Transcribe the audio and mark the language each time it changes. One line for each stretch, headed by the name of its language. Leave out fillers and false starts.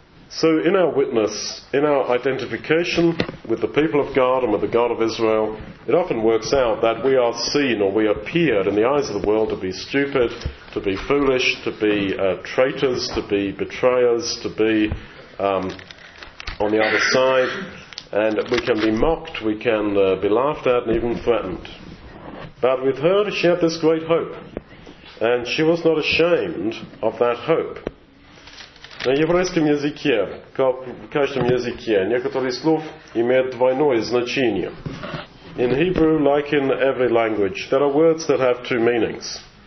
English: So in our witness, in our identification with the people of God and with the God of Israel, it often works out that we are seen or we appear in the eyes of the world to be stupid, to be foolish, to be traitors, to be betrayers, to be on the other side, and we can be mocked, we can be laughed at and even threatened. But with her, she had this great hope, and she was not ashamed of that hope.
Russian: На еврейском языке, как в каждом языке, некоторые слов имеют двойное значение.
English: In Hebrew, like in every language, there are words that have two meanings.